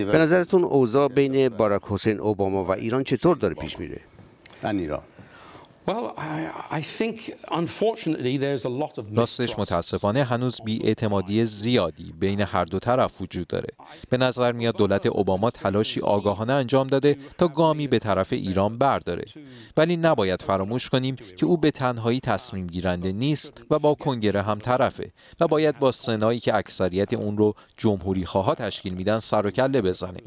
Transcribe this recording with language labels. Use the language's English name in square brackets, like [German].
[Persian] به نظرتون اوضاع بین باراک حسین اوباما و ایران چطور داره پیش میره؟ [English] Well, I think unfortunately there's a lot of mistrust. [Persian] راستش متاسفانه هنوز بی‌اعتمادی زیادی بین هر دو طرف وجود داره. به نظر میاد دولت اوباما تلاشی آگاهانه انجام داده تا گامی به طرف ایران برداره. ولی نباید فراموش کنیم که او به تنهایی تصمیم گیرنده نیست و با کنگره هم طرفه و باید با سنایی که اکثریت اون رو جمهوری خواها تشکیل میدن سر و کله بزنه.